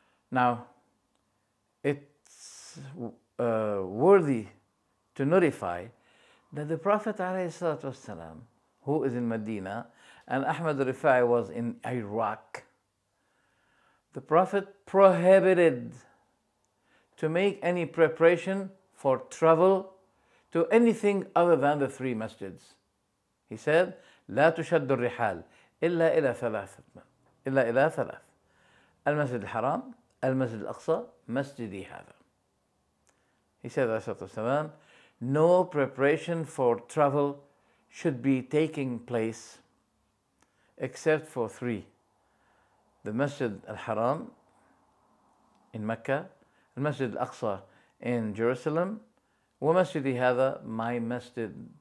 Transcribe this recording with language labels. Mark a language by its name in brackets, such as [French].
[English] Now, it's worthy to notify that the Prophet ﷺ, who is in Medina, and Ahmad Rifa'i was in Iraq, the Prophet prohibited to make any preparation for travel to anything other than the 3 masjids. [Arabic] He said, لا تشد الرحال إلا إلى ثلاثة إلا إلى ثلاث المسجد الحرام المسجد الأقصى مسجدي هذا. [English] He said, ﷺ, no preparation for travel should be taking place except for 3. The Masjid al-Haram in Mecca, the Masjid al-Aqsa in Jerusalem, [Arabic] wa masjidi hadha, [English] my masjid.